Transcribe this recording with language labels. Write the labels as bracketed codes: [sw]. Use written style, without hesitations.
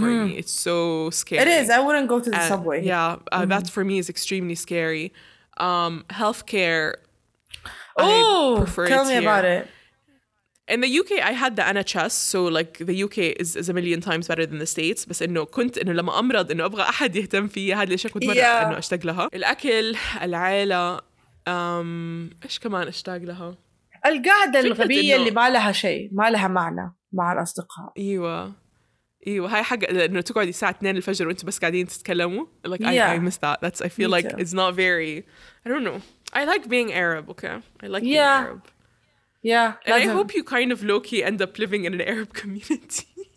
[en] for me. It's so scary. It is. I wouldn't go to the subway. Yeah, mm-hmm. that for me is extremely scary. Healthcare. Oh, tell me about it. In the UK, I had the NHS, so like the UK is a million times better than the States. [ar] But إنه كنت إنه لما أمرض إنه أبغى أحد يهتم فيه هذا ليش كنت مرة yeah. إنه أشتاق لها. الأكل، العائلة، إيش كمان أشتاق لها؟ القعدة الغبية اللي ما لها شيء، ما لها معنى مع الأصدقاء. إيوة هاي حاجة إنه تقعد الساعة 2 الفجر وأنت بس قاعدين تتكلموا. [en] Like yeah. I miss that. That's I feel like too. It's not very. I don't know. I like being Arab. Okay. I like yeah. being Arab. Yeah, and I hope you kind of low-key end up living in an Arab community.